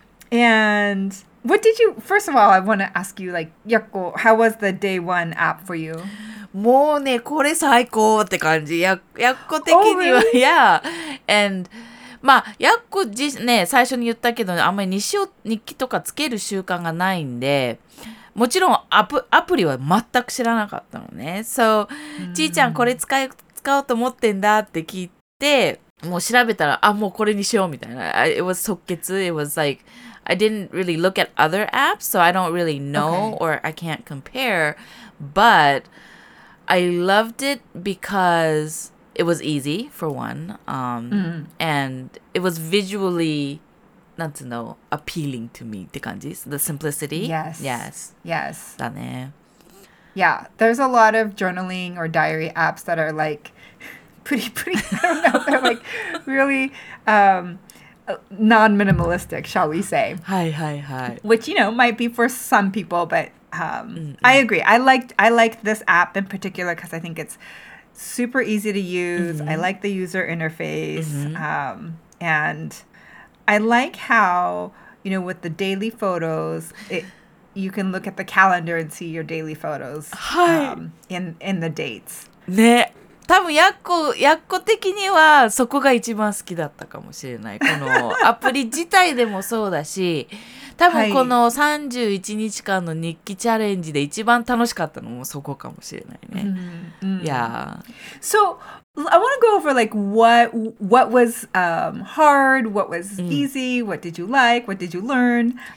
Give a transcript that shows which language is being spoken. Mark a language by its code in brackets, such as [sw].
[en] And what did you, first of all, I want to ask you, like, Yakko, how was the Day One app for you? [ja] もうね、これ最高って感じ。 Yakko 的には、 [en] oh, really? Yeah. And... [ja] まあ、やっこ自身ね、最初に言ったけど、あんまり日記とかつける習慣がないんで、もちろんアプリは全く知らなかったのね。 So、うん、ちいちゃんこれ使おうと思ってんだって聞いて、もう調べたら、あ、もうこれにしようみたいな。 [en] It was 即決。 It was like, I didn't really look at other apps, so I don't really know、okay. or I can't compare. But I loved it because... It was easy, for one.、And it was visually, not to know, appealing to me, [ja] って感じ? [en] The simplicity? Yes. Yes. Yes. [ja] だね。 [en] Yeah. There's a lot of journaling or diary apps that are like, pretty, pretty, I don't know, they're like, really、non-minimalistic, shall we say. [ja] はいはいはい。 [en] Which, you know, might be for some people, but、I agree. I liked this app in particular because I think it's,Super easy to use.、Mm-hmm. I like the user interface.、Mm-hmm. And I like how, you know, with the daily photos, you can look at the calendar and see your daily photos、 [ja] はい [en] in the dates. [ja] ね、多分やっこ的にはそこが一番好きだったかもしれない。このアプリ自体でもそうだし、多分この31日間の日記チャレンジで一番楽しかったのもそこかもしれないね。 [en] So I want to go over like what was hard, what was easy, what did you like, what did you learn.